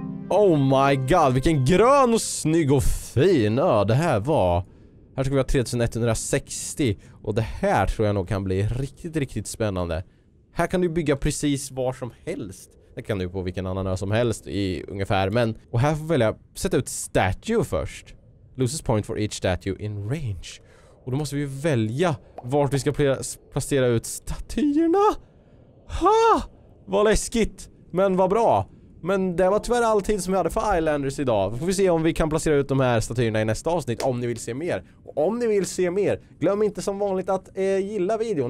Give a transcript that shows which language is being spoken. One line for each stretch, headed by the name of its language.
English: Oh my god,
Swedish: vilken grön och snygg och fin ö det här var. Här ska vi ha 3160 och det här tror jag nog kan bli riktigt, riktigt spännande. Här kan du bygga precis var som helst. Det kan du på vilken annan ö som helst i ungefär, men... Och här får jag välja sätta ut statue först.
English: Loses point for each statue in range.
Swedish: Och då måste vi välja vart vi ska placera ut statyerna. Ha! Vad läskigt, men vad bra. Men det var tyvärr all tid som jag hade för Islanders idag. Får vi se om vi kan placera ut de här statyerna i nästa avsnitt om ni vill se mer. Och om ni vill se mer, glöm inte som vanligt att gilla videon.